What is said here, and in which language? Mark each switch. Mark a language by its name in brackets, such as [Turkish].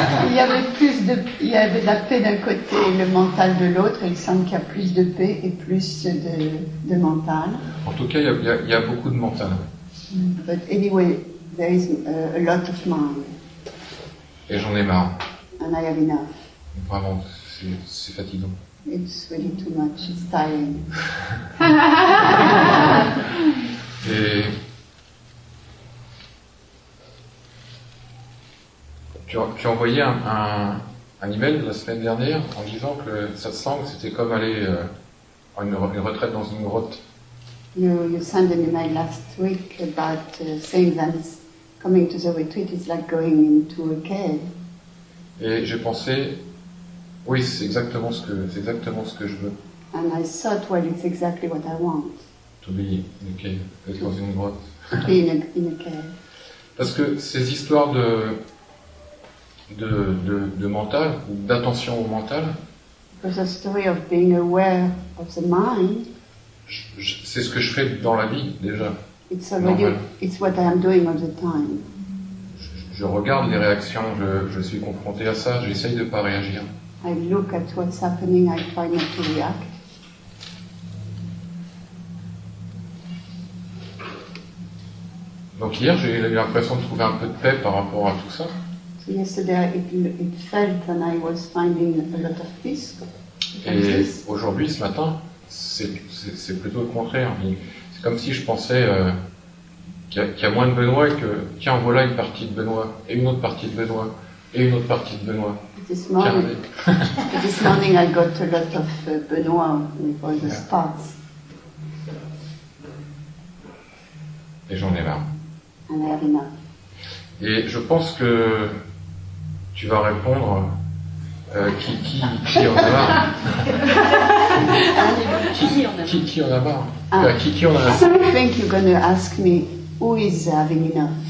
[French] Il y avait de la paix d'un côté et le mental de l'autre. Il semble qu'il y a plus de paix et plus de mental. En tout cas, il y a beaucoup de mental. [English] But anyway, there is a lot of mind. [French] Et j'en ai marre. [English] And I have enough. [French] Vraiment, c'est fatigant. [English] It's really too much. It's tiring. [French] Et Tu as envoyé un email la semaine dernière en disant que le satsang c'était comme aller en une retraite dans une grotte. [English] You sent an email last week about saying that coming to the retreat is like going into a cave. [French] Et j'ai pensé, oui, c'est exactement ce que je veux. [English] And I thought, well, it's exactly what I want. To be in a cave, [French] être dans une grotte. [English] Be in a cave. [French] Parce que ces histoires de mental, d'attention au mental. [English] Because the story of being aware of the mind. [French] C'est ce que je fais dans la vie déjà. [English] It's what I am doing all the time. [French] Je regarde les réactions, je suis confronté à ça, j'essaye de ne pas réagir. [English] I look at what's happening, I try not to react. [French] Donc hier, j'ai eu l'impression de trouver un peu de paix par rapport à tout ça. [English] So yesterday, it felt and I was finding a lot of peace. [French] Et aujourd'hui, ce matin, c'est plutôt le contraire. C'est comme si je pensais qu'il y a moins de Benoît et que, tiens, voilà une partie de Benoît, et une autre partie de Benoît, et une autre partie de Benoît. [English] This morning, I got a lot of Benoît with all the spots. [French] Et j'en ai marre. [English] And I have enough. [French] Et je pense que tu vas répondre qui en a marre. qui en a marre. Qui en a marre. [English] So you think you're going to ask me who is having enough?